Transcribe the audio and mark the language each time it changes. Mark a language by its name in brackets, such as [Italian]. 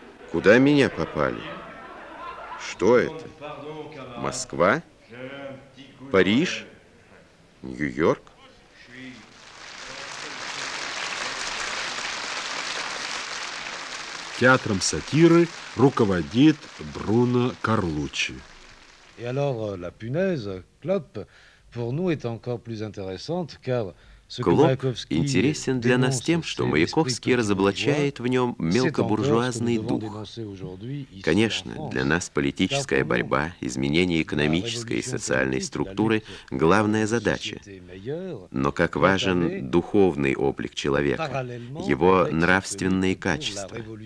[Russian] Куда меня попали? Что это? Москва? Париж? Нью-Йорк? Театром сатиры руководит Бруно Карлуччи. И [French] alors la punaise, Клоп, pour nous est encore plus intéressante, car [Russian] «Клоп» интересен для нас тем, что Маяковский разоблачает в нем мелкобуржуазный дух. Конечно, для нас политическая борьба, изменение экономической и социальной структуры – главная задача. Но как важен духовный облик человека, его нравственные качества.